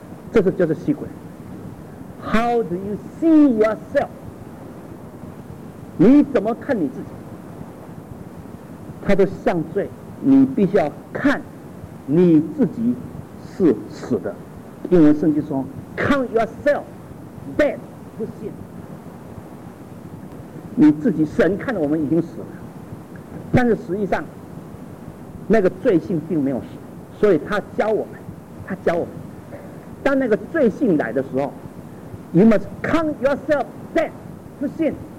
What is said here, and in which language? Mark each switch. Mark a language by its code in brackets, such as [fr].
[zh] 这是就是吸鬼。 [en] How do you see yourself？ [zh] 你怎么看你自己？他就像罪，你必须要看你自己是死的。英文圣经说 [en] Count yourself dead to sin。 [zh] 你自己，神看我们已经死了，但是实际上那个罪性并没有死。所以他教我们，他教我们，当那个罪性来的时候， [en] You must count yourself dead to sin。